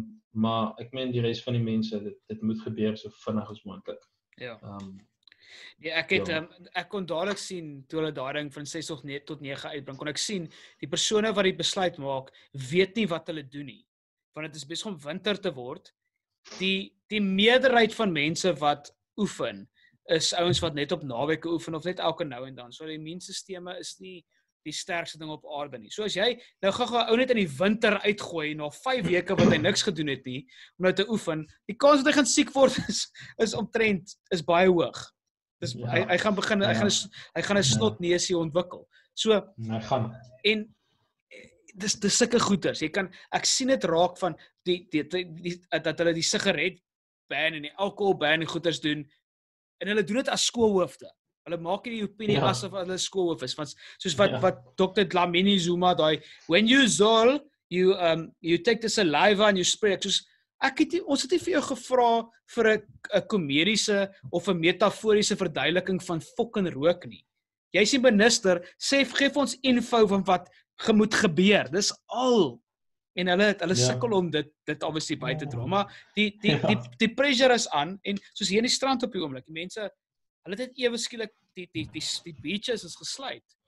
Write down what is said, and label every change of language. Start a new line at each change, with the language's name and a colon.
Afrikaans: Maar ek meen die res van die mense, dit moet gebeur so vinnig as moontlik. Ja. Ek kon dadelik sien toe hulle daai ding van 6 of 9 tot 9 uitbring, kon ek sien die persone wat die besluit maak weet nie wat hulle doen nie. Want dit is besig om winter te word. Die meerderheid van mense wat oefen is ouens wat net op naweke oefen of net elke nou en dan. So die immuunstelsels is nie die sterkste ding op aarde nie. So as jy nou gou-gou ou net in die winter uitgooi na 5 weke wat hy niks gedoen het nie om nou te oefen, die kans dat hy gaan siek word is baie hoog. Dis ja. hy gaan begin ja. hy gaan 'n snotneusie ontwikkel. So hy gaan en dis sulke goeters. Jy kan ek sien dit raak van die dat hulle die sigaret ban en die alkohol ban die goeters doen en hulle doen dit as skoolhoofde. Hulle maak nie die opinie asof hulle skoolhoof is, want soos wat Dr.
English: Dlamini Zuma daai when you zol you take the saliva and you spray.
Afrikaans: Soos, ons het nie vir jou gevra vir 'n komediese of 'n metaforiese verduideliking van fucking rook nie. Jy sien minister, sê gee ons info van wat moet gebeur. Dis al. En hulle sukkel om dit obviously by te dra, maar die pressure is aan en soos hier in die strand op die oomblik, die mense hulle het ewe skielik die beaches is gesluit.